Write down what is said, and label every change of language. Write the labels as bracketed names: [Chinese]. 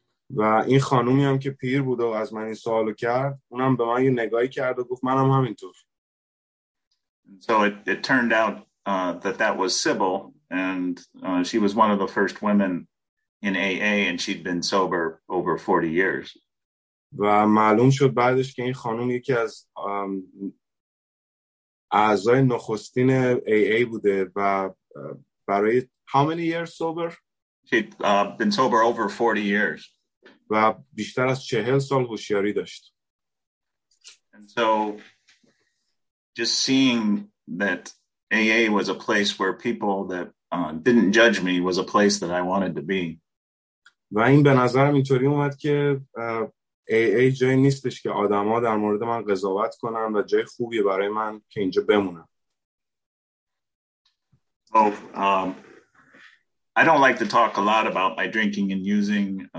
[Persian] و این خانومی هم که پیر بود و از من این سوالو کرد، اونم به من یه نگاهی کرد و گفت منم همینطور. [English] So it turned out that was Sybil, and she was one of the first women in AA, and she'd been sober over 40 years. [Persian] و معلوم شد بعدش که این خانم یکی از اعضای نخستین AA بوده و برای [English] how many years sober? She'd been sober over 40 years. [Persian] و بیشتر از 40 سال هوشیاری داشت. [English] And so just seeing that AA was a place where people that didn't judge me was a place that I wanted to be. [Persian] و این به نظرم اینطوری اومد که AA جایی نیستش که آدما در مورد من قضاوت کنن و جای خوبی برای من که اینجا بمونم. [English] I don't like to talk a lot about my drinking and using.